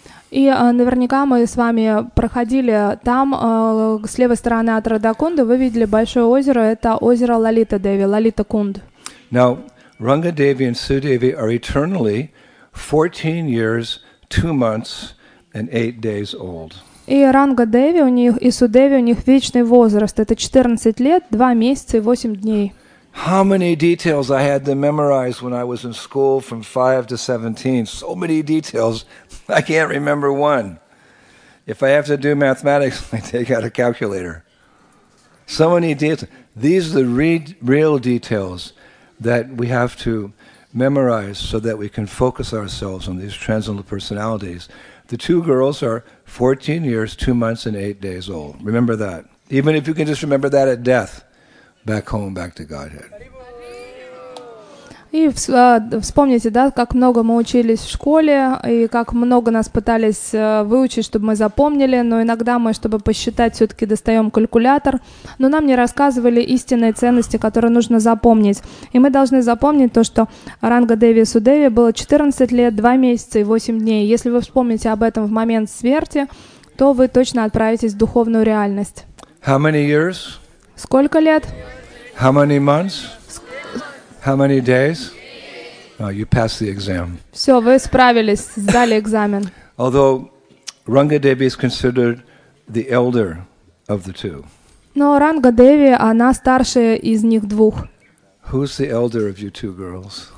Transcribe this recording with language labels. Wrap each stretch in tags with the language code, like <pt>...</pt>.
<ru>И наверняка мы с вами проходили там, с левой стороны от Радхакунды, вы видели большое озеро, это озеро Лалита Деви, Лалита Кунд.</ru> <en>Now, Ranga Devi and Sudevi are eternally 14 years, 2 months, and 8 days old.</en> <ru>И Ранга Деви у них и Судеви у них вечный возраст это 14 лет, 2 месяца и 8 дней.</ru> <en>How many details I had to memorize when I was in school from 5 to 17. So many details, I can't remember one. If I have to do mathematics, I take out a calculator. So many details. These are the real details that we have to memorize so that we can focus ourselves on these transcendental personalities. The two girls are 14 years, 2 months, and 8 days old. Remember that. Even if you can just remember that at death, back home, back to Godhead.</en> <ru>И вспомните, да, как много мы учились в школе, и как много нас пытались выучить, чтобы мы запомнили, но иногда мы, чтобы посчитать, все-таки достаем калькулятор, но нам не рассказывали истинные ценности, которые нужно запомнить. И мы должны запомнить то, что Ранга Деви Судеви было 14 лет, 2 месяца и 8 дней. Если вы вспомните об этом в момент смерти, то вы точно отправитесь в духовную реальность.</ru> <en>How many years?</en> <ru>Сколько лет?</ru> <en>How many months? How many days? Oh, you passed the exam.</en> <ru>Все, вы справились, сдали экзамен.</ru> <en>Although Ranga Devi is considered the elder of the two.</en> <ru>Но Ранга Деви, она старшая из них двух.</ru> <en>Who's the elder of you two girls?</en>